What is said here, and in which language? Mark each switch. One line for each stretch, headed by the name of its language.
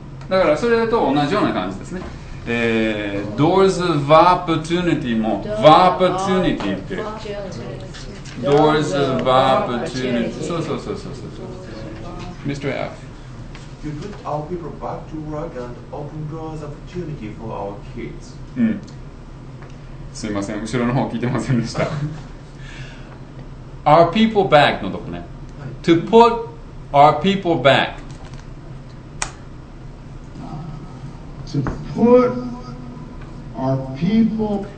Japanese: だからそれと同じような感じですね。
English: Doors of opportunity も、opportunity って。 Doors of opportunity。
Japanese: そうそうそうそうそう。
English: Mr. F。 You put our people back to work and open doors of opportunity for our kids。
Japanese: うん。すいません、後ろの方聞いてませんでした。
English: Our people back
Japanese: のとこね、はい、
English: To put our people back To put our people